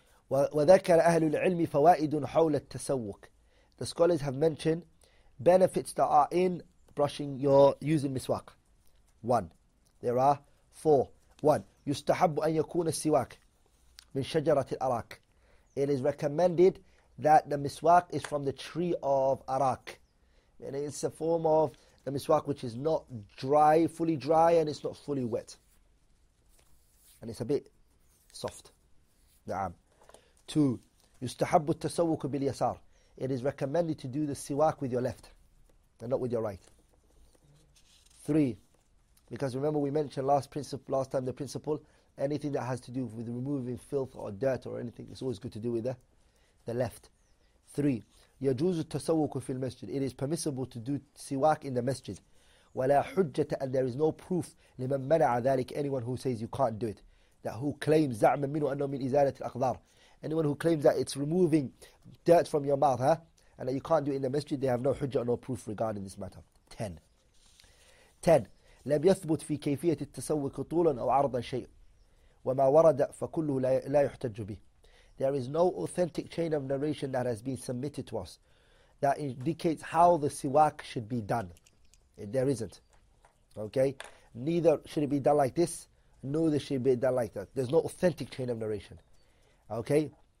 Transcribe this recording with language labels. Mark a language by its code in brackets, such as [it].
[ar] وذكر أهل العلم فوائد حول التسوك. [en] The scholars have mentioned benefits that are in brushing your, using miswak. 1. There are 4. 1. [ar] يستحب أن يكون السواك من شجرة الأراك. [en] It is recommended that the miswak is from the tree of Araq. And it's a form of the miswak which is not dry, fully dry, and it's not fully wet. And it's a bit soft. [ar] نعم. [en] 2. [ar] يستحب التسوك باليسار. [en] It is recommended to do the siwak with your left and not with your right. 3. Because remember we mentioned last time the principle, anything that has to do with removing filth or dirt or anything, it's always good to do with the left. [ar] 3. يجوز التسوك في المسجد. [en] It is permissible to do siwak in the masjid. [ar] ولا حجة, [en] and there is no proof [ar] لمن منع ذلك, [en] anyone who says you can't do it. That who claims [ar] زعم منه أنه من إزالة الأقدار. [en] Anyone who claims that it's removing dirt from your mouth, huh, and that you can't do it in the masjid, they have no hujjah or no proof regarding this matter. 10. 10. [ar] لم يثبت في كيفية التسوك طولا أو عرضا شيء. وما ورد فكله لا يحتج به. [en] There is no authentic chain of narration that has been submitted to us that indicates how the siwak should be done. There isn't. Okay? Neither should it be done like this, nor should it be done like that. There's no authentic chain of narration. Okay.